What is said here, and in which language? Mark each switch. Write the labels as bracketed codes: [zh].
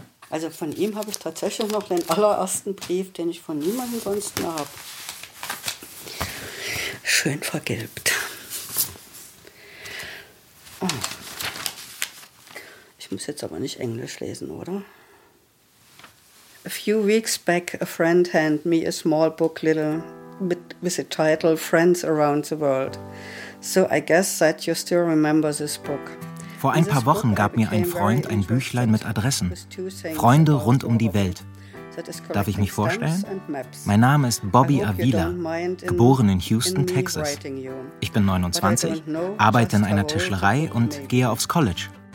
[de] Also von ihm habe ich tatsächlich noch den allerersten Brief, den ich von niemandem sonst mehr habe. Schön vergilbt. Oh. Ich muss jetzt aber nicht Englisch lesen, oder? [en] A few weeks back, a friend handed me a small book, with the title Friends Around the World. So I guess that you still remember this book. [de] Vor ein paar Wochen gab mir ein Freund ein Büchlein mit Adressen. Freunde rund um die Welt. Darf ich mich vorstellen? Mein Name ist Bobby Avila, geboren in Houston, Texas. Ich bin 29, arbeite in einer Tischlerei und gehe aufs College.